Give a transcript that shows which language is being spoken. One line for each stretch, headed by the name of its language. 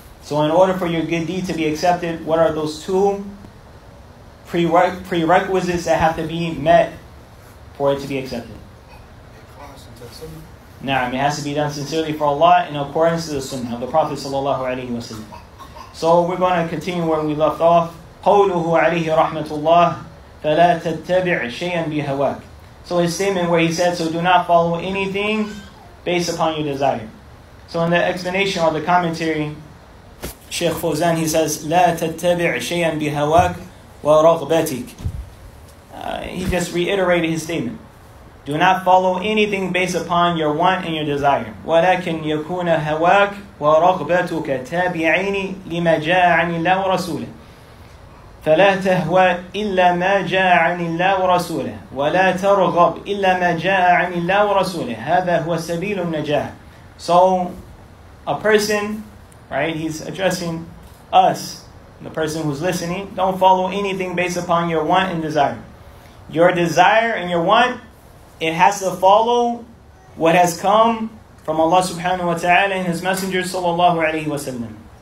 English: So in order for your good deed to be accepted, what are those two prerequisites that have to be met for it to be accepted? Naam, it has to be done sincerely for Allah in accordance to the Sunnah of the Prophet sallallahu alaihi wasallam. So we're going to continue where we left off.
Arabic: قوله عليه رحمة الله فلا تتبع شيئا بهواك.
English: So his statement where he said, so do not follow anything based upon your desire. So in the explanation or the commentary, Sheikh Fawzan, he says,
Arabic: لا تتبع شيئا بهواك ورغبتك.
English: He just reiterated his statement. Do not follow anything based upon your want and your desire.
Arabic: ولكن يكون هواك ورغبتك تابعين لما جاء عن الله ورسوله. فلا تهوى إلا ما جاء عن الله ورسوله ولا ترغب إلا ما جاء عن الله ورسوله هذا هو سبيل النجاة.
English: So a person, right, he's addressing us, the person who's listening, don't follow anything based upon your want and desire. Your desire and your want, it has to follow what has come from Allah subhanahu wa ta'ala and His Messenger sallallahu alayhi wa sallam.